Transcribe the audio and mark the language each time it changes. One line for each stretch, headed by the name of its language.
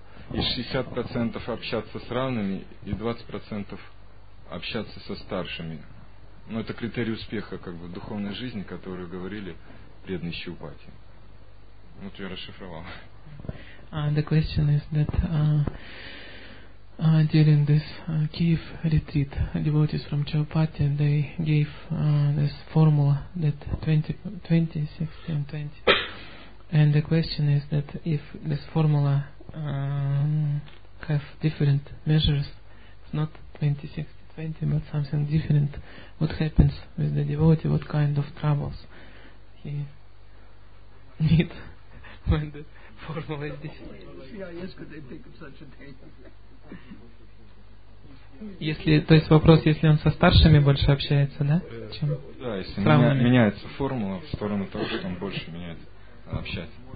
Russian: И 60% общаться с равными, и 20% общаться со старшими. Но это критерий успеха как бы в духовной жизни, который говорили преданный Шилпати. Вот я расшифровал.
English: The question is that during this Kiev retreat, devotees from Chaupati, they gave this formula that 20, 16, 20. And the question is that if this formula have different measures, it's not 20, 60, 20, but something different, what happens with the devotee, what kind of troubles he need when the formula is different.
Russian: Если, то есть вопрос, если он со старшими больше общается, да? Чем да, если с равными. Меняется формула в сторону того, что он больше меняет общаться.